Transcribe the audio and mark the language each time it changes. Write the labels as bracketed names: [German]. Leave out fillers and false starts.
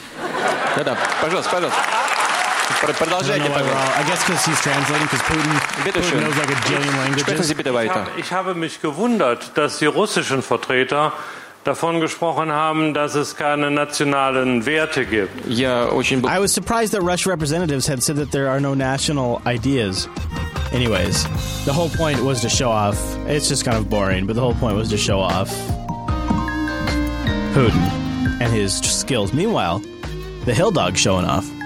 [English] I guess because he's translating, because Putin knows like a jillion languages. [German] Ich habe mich gewundert, dass die russischen Vertreter davon gesprochen haben, dass es keine nationalen Werte gibt. [English] I was surprised that Russian representatives had said that there are no national ideas. Anyways, the whole point was to show off. It's just kind of boring, but the whole point was to show off Putin and his skills. Meanwhile, the Hill Dog showing off.